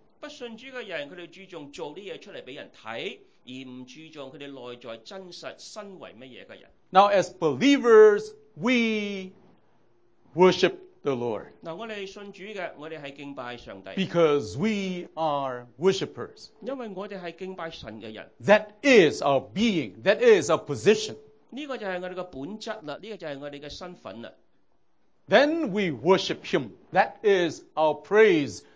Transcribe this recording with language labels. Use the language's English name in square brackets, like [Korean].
[Chinese] 不信主的人,他们注重做这些出来给人看,而不注重他们内在真实身为什么样的人。 [English] Now, as believers, we worship the Lord. [Chinese] 我们信主的,我们是敬拜上帝。 [English] Because we are worshippers. [Chinese] 因为我们是敬拜神的人。 [English] That is our being, that is our position. [Chinese] 这个就是我们的本质了,这个就是我们的身份了。 [English] Then we worship Him, that is our praise.